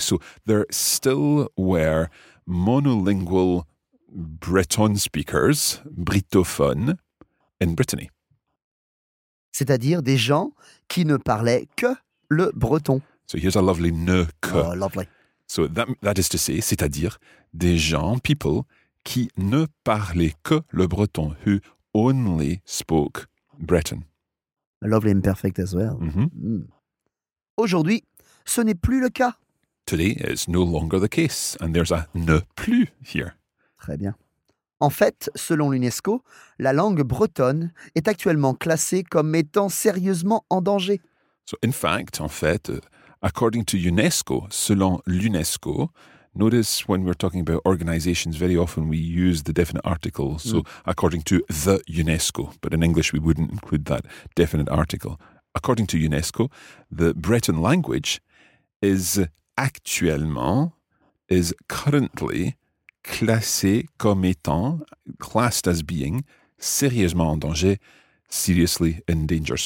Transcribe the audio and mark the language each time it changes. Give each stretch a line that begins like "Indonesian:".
English: So there still were monolingual Breton speakers, britophones, in Brittany.
French: C'est-à-dire des gens qui ne parlaient que le breton.
English: So here's a lovely ne que. Oh, lovely. So that is to say,
French: c'est-à-dire des gens,
English: people,
French: qui ne parlaient que le breton,
English: who only spoke Breton. A lovely imperfect as well. Mm-hmm. Mm.
French: Aujourd'hui, ce n'est plus le cas.
English: Today, it's no longer the case, and there's a ne plus here.
French: Très bien. En fait, selon l'UNESCO, la langue bretonne est actuellement classée comme étant sérieusement en danger.
English: So in fact,
French: en fait...
English: According to UNESCO,
French: selon l'UNESCO,
English: notice when we're talking about organizations, very often we use the definite article. So according to the UNESCO, but in English we wouldn't include that definite article. According to UNESCO, the Breton language is currently
French: classé comme étant,
English: classed as being,
French: sérieusement en danger,
English: seriously in danger.